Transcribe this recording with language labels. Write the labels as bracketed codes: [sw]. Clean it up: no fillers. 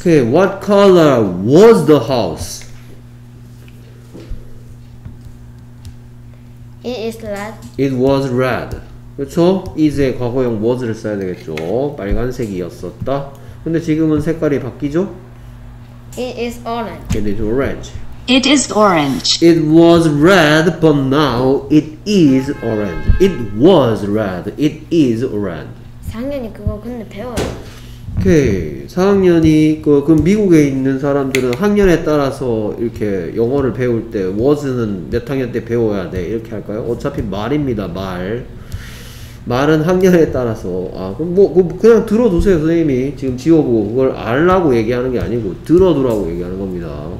[en] 오케이. What color was the house? It is red. It was red. [ko] 그렇죠? Is의 과거형 was를 써야 되겠죠. 빨간색이었었다. 근데 지금은 색깔이 바뀌죠? [en] It is orange. It is orange. It is orange. It was red, but now it is orange. It was red. It is orange. [ko] 4학년이 그거 근데 배워요. 오케이. 4학년이 그 미국에 있는 사람들은 학년에 따라서 이렇게 영어를 배울 때 was는 몇 학년 때 배워야 돼? 이렇게 할까요? 어차피 말입니다. 말. 말은 학년에 따라서 아 그럼 뭐 그냥 들어두세요 선생님이 지금 지워보고 그걸 알라고 얘기하는 게 아니고 들어두라고 얘기하는 겁니다.